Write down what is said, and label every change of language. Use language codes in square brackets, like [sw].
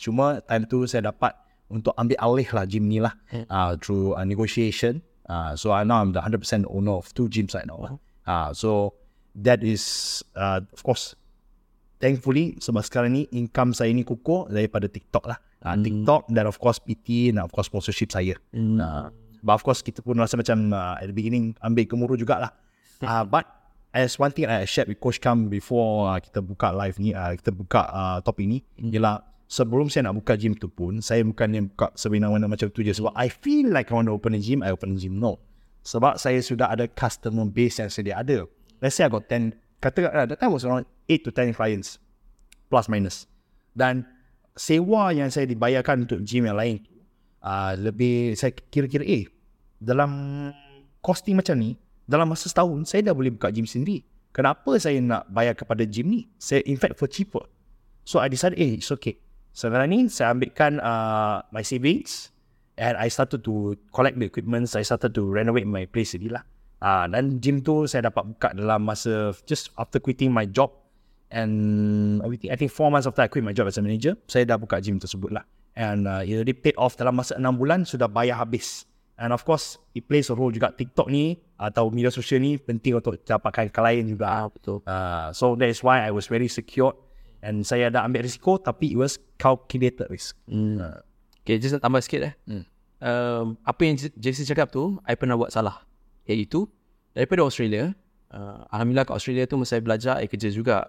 [ms] Cuma time tu saya dapat untuk ambil alih lah gym ni lah [en] through negotiation. So now I'm the 100% owner of two gyms right now. So that is, of course, thankfully, [ms] sebab sekarang ni income saya ni kukuh daripada TikTok lah. TikTok dan of course PT dan of course sponsorship saya. [en] But of course, [ms] kita pun rasa macam at the beginning, ambil kemuruh jugalah. [en] But as one thing I shared with Coach Kam before [ms] kita buka live ni, kita buka topik ni, ialah sebelum saya nak buka gym tu pun, saya bukannya buka sebenarnya macam tu je. [en] Sebab I feel like I want to open a gym, I open a gym. No. [ms] Sebab saya sudah ada customer base yang sedia ada. [en] Let's say I got 10, katakan that time was around 8 to 10 clients, plus minus. [ms] Dan sewa yang saya dibayarkan untuk gym yang lain, lebih saya kira-kira, dalam costing macam ni, dalam masa setahun, saya dah boleh buka gym sendiri. Kenapa saya nak bayar kepada gym ni? Saya in fact for cheaper. [en] So I decided, it's okay. [ms] Sekarang ni saya ambilkan [en] my savings and I started to collect the equipment. I started to renovate my place sendiri lah. [ms] Dan gym tu saya dapat buka dalam masa [en] just after quitting my job. And I think 4 months after I quit my job as a manager, [ms] saya dah buka gym tersebut lah. [en] And it already paid off [ms] dalam masa 6 bulan, sudah bayar habis. [en] And of course, it plays a role juga. [ms] TikTok ni atau media sosial ni penting untuk dapatkan klien juga. [en] So that is why I was very secured. [ms] And saya dah ambil risiko, tapi [en] it was calculated risk. [ms] Okay, just nak tambah sikit eh. Apa yang Jason cakap tu, I pernah buat salah. Iaitu, daripada Australia, Alhamdulillah kat Australia tu, masa saya belajar, I kerja juga.